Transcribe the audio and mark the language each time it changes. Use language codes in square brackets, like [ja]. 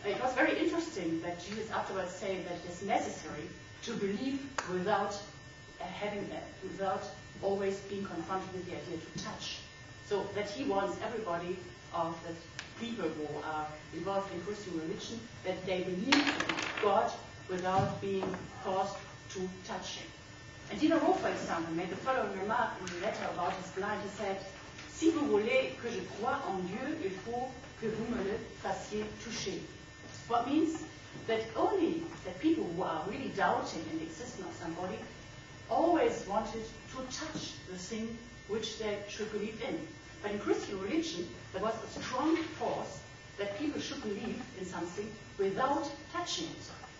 [en] It was very interesting that Jesus afterwards said that it is necessary to believe without without always being confronted with the idea to touch. So that he wants everybody of the people who are involved in Christian religion, that they believe in God without being forced to touch him. And Dino Rowe, for example, made the following remark in a letter about his blind. He said, [fr] si vous voulez que je croie en Dieu, il faut que vous me le fassiez toucher. [en] What means that only the people who are really doubting in the existence of somebody always wanted to touch the thing which they should believe in. But in Christian religion, there was a strong force that people should believe in something without touching it.